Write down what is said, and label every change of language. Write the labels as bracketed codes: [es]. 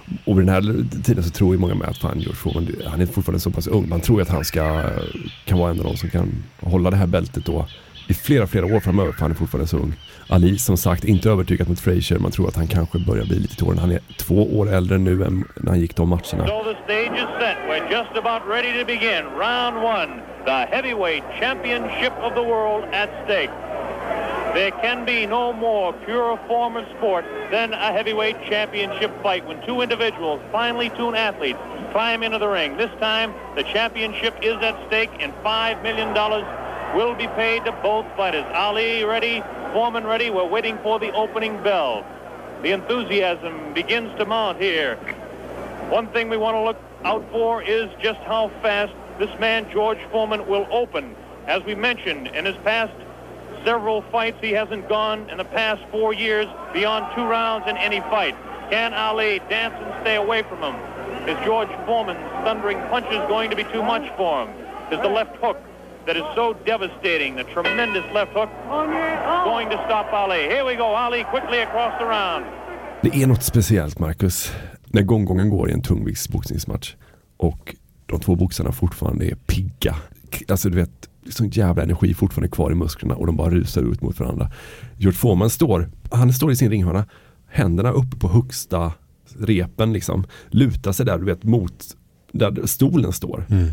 [sv] Och vid den här tiden så tror ju många med att fan, George Foreman, han är fortfarande så pass ung. Man tror att han kan vara en av dem som kan hålla det här bältet då i flera år framöver, för han är fortfarande så ung. Ali, som sagt, inte övertygad mot Frazier. Man tror att han kanske börjar bli lite tårig. Han är 2 år äldre nu än när han gick de matcherna. [en] So the stage is set. We're just about ready to begin. Round one. The heavyweight championship of the world at stake. There can be no more pure form of sport than a heavyweight championship fight when two individuals, finely tuned athletes, climb into the ring. This time, the championship is at stake and $5 million will be paid to both fighters. Ali ready, Foreman ready. We're waiting for the opening bell. The enthusiasm begins to mount here. One thing we want to look out for is just how fast this man, George Foreman, will open. As we mentioned, in his past several fights, he hasn't gone in the past 4 years beyond 2 rounds in any fight. Can Ali dance and stay away from him? Is George Foreman's thundering punches going to be too much for him? Is the left hook that is so devastating, the tremendous left hook, going to stop Ali? Here we go, Ali quickly across the round. [sv] Det är något speciellt, Marcus, när gånggången går i en tungviktsboxningsmatch och de två boxarna fortfarande är pigga. Alltså du vet, sån jävla energi fortfarande kvar i musklerna och de bara rusar ut mot varandra. George Foreman står i sin ringhörna, händerna uppe på högsta repen liksom, lutar sig där, du vet, mot där stolen står. Mm.